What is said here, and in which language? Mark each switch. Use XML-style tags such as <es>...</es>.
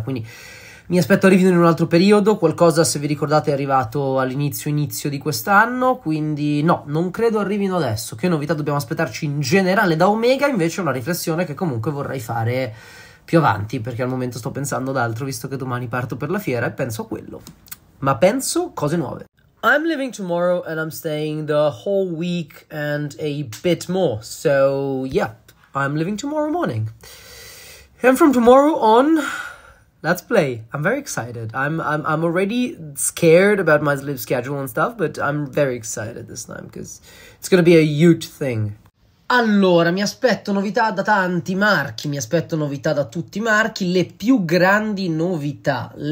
<it>Quindi mi aspetto arrivino in un altro periodo. Qualcosa, se vi ricordate, è arrivato all'inizio di quest'anno, quindi no, non credo arrivino adesso. Che novità dobbiamo aspettarci in generale da Omega? Invece è una riflessione che comunque vorrei fare più avanti, perché al momento sto pensando ad altro, visto che domani parto per la fiera e penso a quello. Ma penso cose nuove.</it> <en>I'm leaving tomorrow and I'm staying the whole week and a bit more. So, yeah, I'm leaving tomorrow morning. And from tomorrow on, let's play. I'm very excited. I'm already scared about my sleep schedule and stuff, but I'm very excited this time because it's gonna be a huge thing.</en> <it>Allora, mi aspetto novità da tanti marchi, mi aspetto novità da tutti i marchi. Le più grandi novità.</it>